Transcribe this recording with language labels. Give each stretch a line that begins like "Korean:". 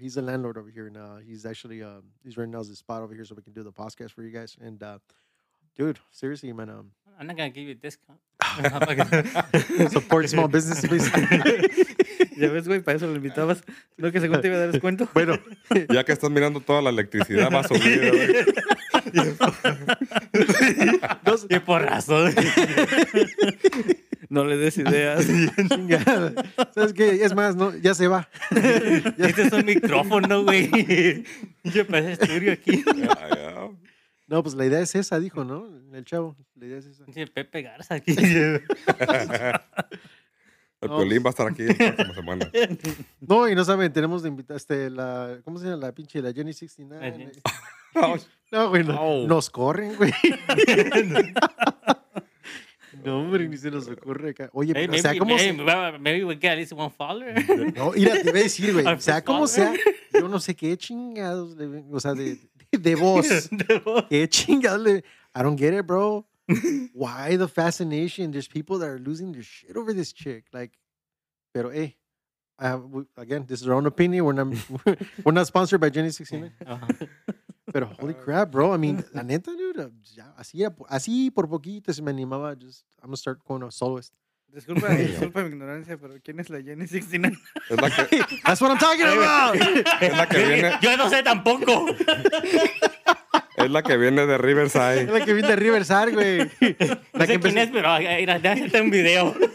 English: He's a landlord over here, and he's actually, he's renting out his spot over here so we can do the podcast for you guys. And, dude, seriously, man. I'm not going to give you a discount. Support small business, please.
Spanish: Ya ves, güey, para eso lo invitabas. No, que según te iba a dar descuento. Bueno, ya que estás mirando toda la electricidad, va a subir. Qué porrazo. No le des ideas. ¿Sabes qué? Es más, no, ya se va. Este es un micrófono, güey. Yo pasé estudio aquí. No, pues la idea es esa, dijo, ¿no? El chavo, la idea es esa. Sí, Pepe Garza aquí. El no. Piolín va a estar aquí la próxima semana. No, y no saben, tenemos de invitar la, ¿cómo se llama? La pinche, la Jenny 69. Jenny. No, güey, no, nos corren, güey. No, hombre, ni se nos ocurre. Oye, pero sea como sea.
English: Maybe we get at least one follower.
Spanish: No, mira, te iba a decir, güey. Sea como sea, yo no sé qué chingados, o sea, de voz. Qué chingados.
English: I don't get it, bro. Why the fascination? There's people that are losing their shit over this chick. Like, pero, hey, again, this is our own opinion. We're not sponsored by Jenny 69. Pero holy crap, bro. I mean,
Spanish: la neta, dude. Así por poquito se me animaba.
English: Just, I'm going to start con a soloist.
Spanish: Disculpa mi ignorancia, pero ¿quién es la Jenny 69?
English: That's what I'm talking about.
Spanish: Es la que viene. Yo no sé tampoco. Es la que viene de Riverside. Es la que viene de Riverside, güey. No sé quién es, pero déjate un video.